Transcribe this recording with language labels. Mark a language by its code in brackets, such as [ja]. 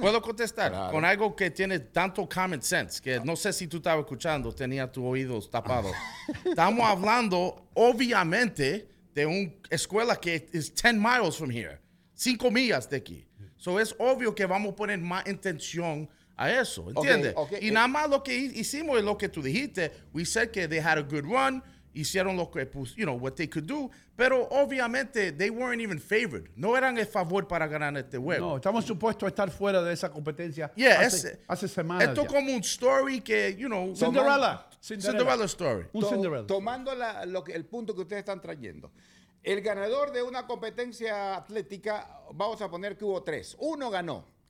[es] Puedo contestar con algo que tiene tanto [en] common sense, [es] que no sé si tú estabas escuchando, tenía tus oídos tapados. Estamos hablando, obviamente, de una escuela que es [en] 10 miles from here, [es] 5 millas de aquí. So es obvio que vamos a poner más intención a eso, ¿entiendes? [en] Okay, okay. [es] Y nada más lo que hicimos es lo que tú dijiste. [en] We said que they had a good run, [es] hicieron lo que, [en] you know, what they could do, [es] pero obviamente [en] they weren't even favored. [es] No eran el favor para ganar este juego. No, estamos supuestos a estar fuera de esa competencia hace semanas. Esto ya. Como un story que, [en] you know. [es] Cinderella. [en] Cinderella story. [es] Un Cinderella. Tomando el punto que ustedes están trayendo. El ganador de una competencia atlética, vamos a poner que hubo tres. Uno ganó.